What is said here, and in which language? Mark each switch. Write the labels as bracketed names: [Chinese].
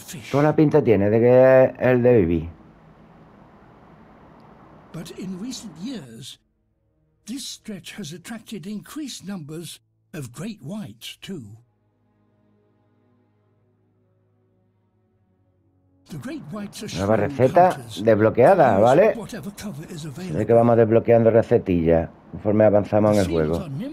[Spanish] Toda la pinta tiene de que es el de Bibi. [English] But in recent years, this stretch has attracted increased numbers of great whites too. [Spanish] Nueva receta desbloqueada, ¿vale? Se ve que vamos desbloqueando recetillas conforme avanzamos en el juego.